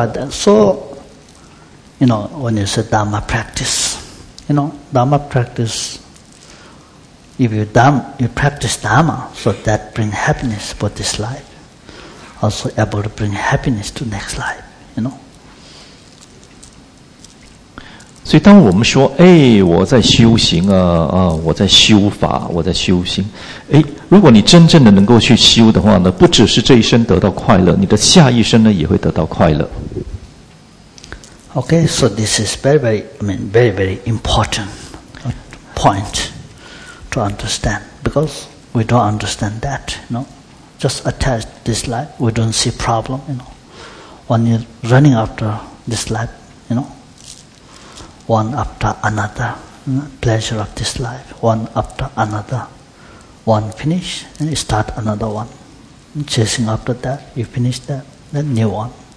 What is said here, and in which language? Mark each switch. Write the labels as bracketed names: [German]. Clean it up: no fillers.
[English] So, you know, when you say Dharma practice, you know, Dharma practice, if you, you practice Dharma, so that brings happiness for this life, also able to bring happiness to next life, you know. [Chinese] 所以当我们说，哎，我在修行啊，啊，我在修法，我在修行，哎，如果你真正的能够去修的话呢，不只是这一生得到快乐，你的下一生呢也会得到快乐。 [English] Okay, so this is very, very important point to understand, because we don't understand that, you know, just attached to this life, we don't see problem, you know, when you're running after this life, you know, one after another, you know, pleasure of this life, one after another, one finish, and you start another one, chasing after that, you finish that, then new one.